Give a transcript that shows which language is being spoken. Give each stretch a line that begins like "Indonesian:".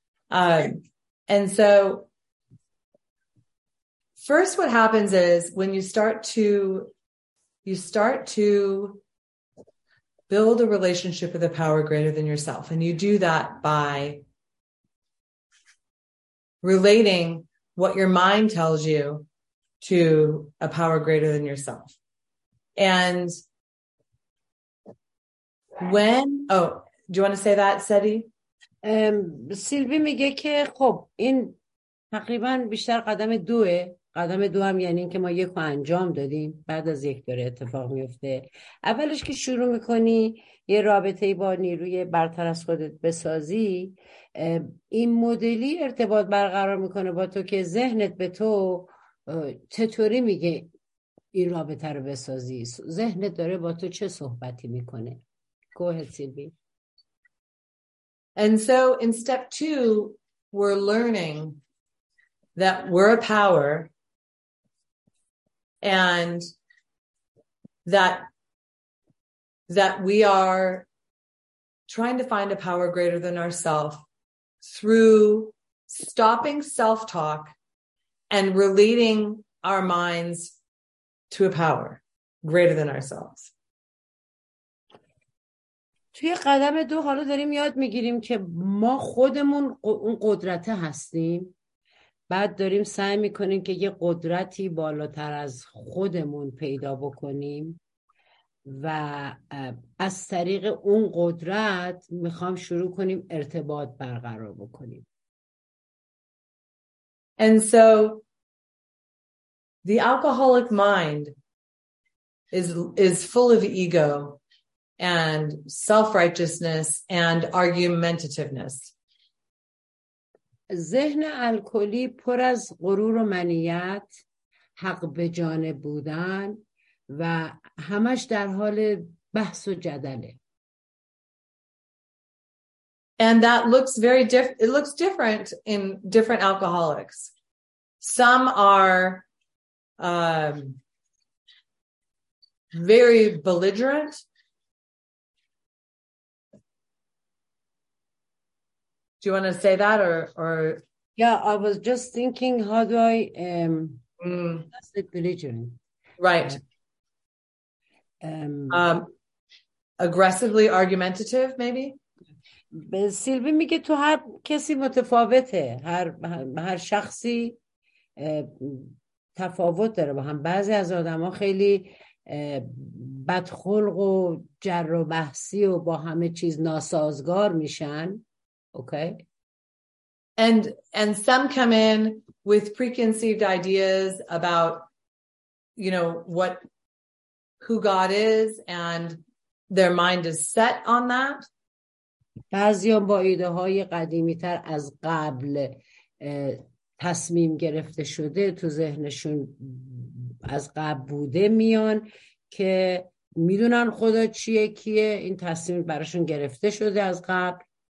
English: And so first, what happens is when you start to build a relationship with a power greater than yourself, and you do that by relating what your mind tells you to a power greater than yourself. And when, oh, do you want to say that, Sedi?
Persian: Sylvie میگه که خب این تقریبا بیشتر قدم دوه. قدم دو هم یعنی این که ما یک رو انجام دادیم بعد از یک داره اتفاق میفته. اولش که شروع میکنی یه رابطه با نیروی برتر از خودت بسازی، این مدلی ارتباط برقرار میکنه با تو که ذهنت به تو چطوری میگه این رابطه رو بسازی، ذهنت داره با تو چه صحبتی میکنه.
English: Go ahead, Sylvie. And so in step two, we're learning that we're a power. And that we are trying to find a power greater than ourselves through stopping self-talk and relating our minds to a power greater than ourselves.
Persian: توی قدم دو حالا داریم یاد میگیریم که ما خودمون اون قدرت هستیم. بعد داریم سعی میکنیم که یه قدرتی بالاتر از خودمون پیدا بکنیم و از طریق اون قدرت میخوام شروع کنیم ارتباط برقرار بکنیم.
English: And so the alcoholic mind is full of ego and self-righteousness and argumentativeness.
Persian: ذهن الکلی پر از غرور و منیت، حق به جانب بودن و همش در حال بحث و جدله.
English: And that looks very different. It looks different in different alcoholics. Some are very belligerent. Do you want to say that or? Yeah, I was just thinking, how do I that's the belligerent. Right. Aggressively argumentative, maybe?
Persian: سیلوی میگه تو هر کسی متفاوته. هر شخصی تفاوت داره با هم. بعضی از آدم ها خیلی بدخلق و جر و بحثی و با همه چیز ناسازگار میشن.
English: Okay. And some come in with preconceived ideas about, you know, who God is, and their mind is set on that.
Persian: بعضی با ایده‌های قدیمی‌تر از قبل تصمیم گرفته شده تو ذهنشون از قبل بوده میان که میدونن خدا چیه کیه این تصمیم براشون گرفته شده از قبل.